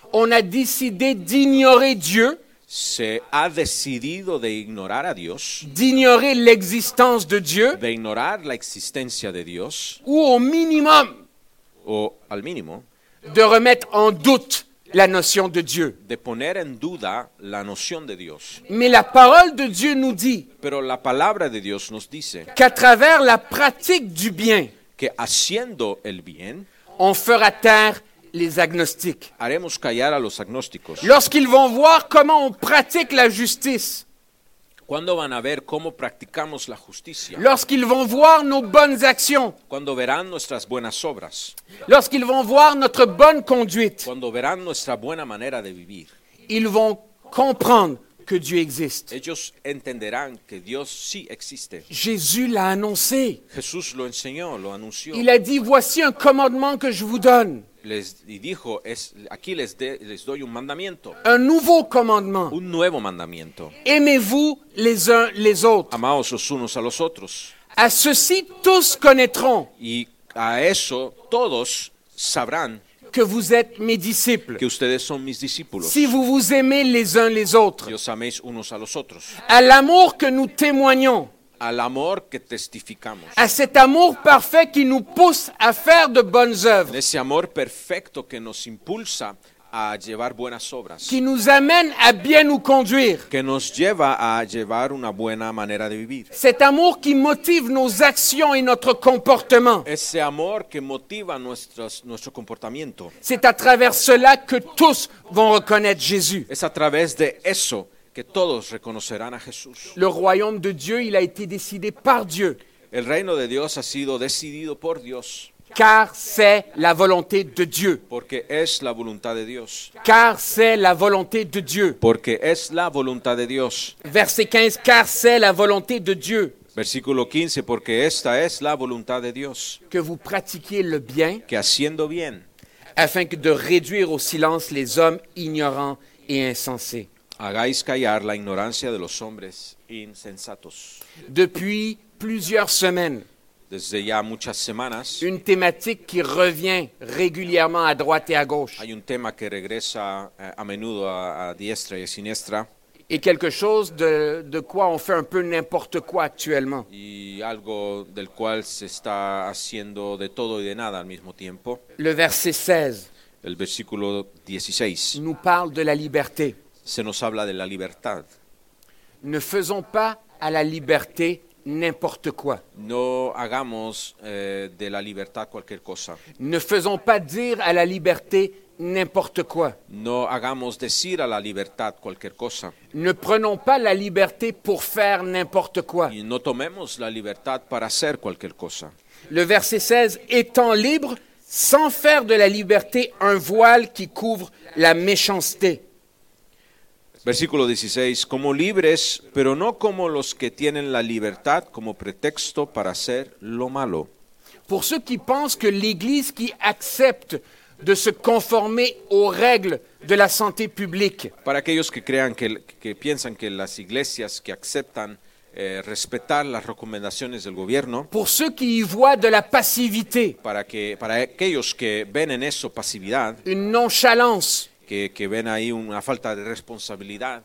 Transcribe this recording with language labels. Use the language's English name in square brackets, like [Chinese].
[French] on a décidé d'ignorer Dieu, [Spanish] se ha decidido de ignorar a Dios, [French] d'ignorer l'existence de Dieu, [Spanish] de ignorar la existencia de Dios, [French] ou au minimum, [Spanish] o al mínimo, [French] de remettre en doute la notion de Dieu. [Spanish] De poner en duda la noción de Dios. [French] Mais la parole de Dieu nous dit. [Spanish] Pero la palabra de Dios nos dice. [French] Qu'à travers la pratique du bien. [Spanish] Que haciendo el bien. [French] On fera taire les agnostiques. [Spanish] Haremos callar a los agnósticos. [French] Lorsqu'ils vont voir comment on pratique la justice. [Spanish] Cuando van a ver cómo practicamos la justicia. [French] Lorsqu'ils vont voir nos bonnes actions. [Spanish] Cuando verán nuestras buenas obras. [French] Lorsqu'ils vont voir notre bonne conduite. [Spanish] Cuando verán nuestra buena manera de vivir. [French] Ils vont comprendre que Dieu existe. [Spanish] Ellos entenderán que Dios sí existe. [French] Jésus l'a annoncé. [Spanish] Jesús lo enseñó, lo anunció. [French] Il a dit, voici un commandement que je vous donne. [Spanish] Y dijo, aquí les doy un mandamiento. [French] Un nouveau commandement. [Spanish] Un nuevo mandamiento. [French] Aimez-vous les uns les autres. [Spanish] Amaos los unos a los otros. [French] À ceci tous connaîtront. [Spanish] Y a eso todos sabrán. [French] Que vous êtes mes disciples. [Spanish] Que ustedes son mis discípulos. [French] Si vous vous aimez les uns les autres. [Spanish] Y os améis unos a los otros. [French] À l'amour que nous témoignons. [Spanish] Al amor que testificamos. [French] A cet amour parfait qui nous pousse à faire de bonnes œuvres. [Spanish] En ese amor perfecto que nos impulsa a llevar buenas obras. [French] Qui nous amène à bien nous conduire. [Spanish] Que nos lleva a llevar una buena manera de vivir. [French] Cet amour qui motive nos actions et notre comportement. [Spanish] Ese amor que motiva nuestro comportamiento. [French] C'est à travers cela que tous vont reconnaître Jésus. [Spanish] Es a través de eso que todos reconocerán a Jesús. [French] Le royaume de Dieu, il a été décidé par Dieu. [Spanish] El reino de Dios ha sido decidido por Dios. [French] Car c'est la volonté de Dieu. [Spanish] Porque es la voluntad de Dios. [French] Car c'est la volonté de Dieu. [Spanish] Porque es la voluntad de Dios. [French] Verset 15, car c'est la volonté de Dieu. [Spanish] Versículo 15, porque esta es la voluntad de Dios. [French] Que vous pratiquiez le bien. [Spanish] Que haciendo bien. [French] Afin de réduire au silence les hommes ignorants et insensés. [Spanish] Hagáis callar la ignorancia de los hombres insensatos. [French] Depuis plusieurs semaines. [Spanish] Desde ya muchas semanas. [French] Une thématique qui revient régulièrement à droite et à gauche. [Spanish] Hay un tema que regresa a menudo a diestra y a siniestra. [French] Et quelque chose de quoi on fait un peu n'importe quoi actuellement. [Spanish] Y algo del cual se está haciendo de todo y de nada al mismo tiempo. [French] Le verset 16. [Spanish] El versículo 16. [French] Nous parle de la liberté. [Spanish] Se nos habla de la libertad. [French] Ne faisons pas à la liberté n'importe quoi. [Spanish] No hagamos de la libertad cualquier cosa. [French] Ne faisons pas dire à la liberté n'importe quoi. [Spanish] No hagamos decir a la libertad cualquier cosa. [French] Ne prenons pas la liberté pour faire n'importe quoi. [Spanish] Y no tomemos la libertad para hacer cualquier cosa. [French] Le verset 16, étant libre, sans faire de la liberté un voile qui couvre la méchanceté. [Spanish] Versículo 16, como libres, pero no como los que tienen la libertad como pretexto para hacer lo malo. [French] Pour ceux qui pensent que l'Église qui accepte de se conformer aux règles de la santé publique. [Spanish] Para aquellos que crean que piensan que las iglesias que aceptan respetar las recomendaciones del gobierno. [French] Pour ceux qui y voient de la passivité. [Spanish] Para aquellos que ven en eso pasividad. [French] Une nonchalance. [Spanish] Que ven ahí una falta de responsabilidad.